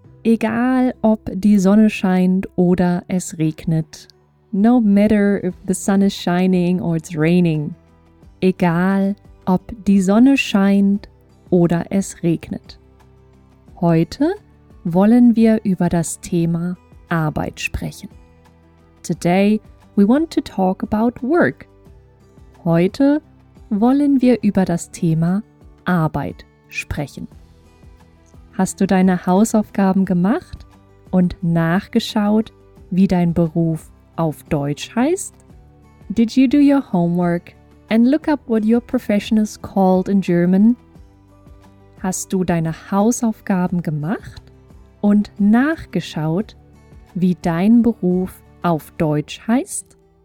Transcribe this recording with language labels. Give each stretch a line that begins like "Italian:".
German: Egal, ob die Sonne scheint oder es regnet.
English: No matter if the sun is shining or it's raining.
German: Egal, ob die Sonne scheint oder es regnet. Heute wollen wir über das Thema Arbeit sprechen.
English: Today we want to talk about work.
German: Heute wollen wir über das Thema Arbeit sprechen. Hast du deine Hausaufgaben gemacht und nachgeschaut, wie dein Beruf auf Deutsch heißt?
English: Did you do your homework and look up what your profession is called in German?
German: Hast du deine Hausaufgaben gemacht und nachgeschaut, wie dein Beruf auf Deutsch heißt?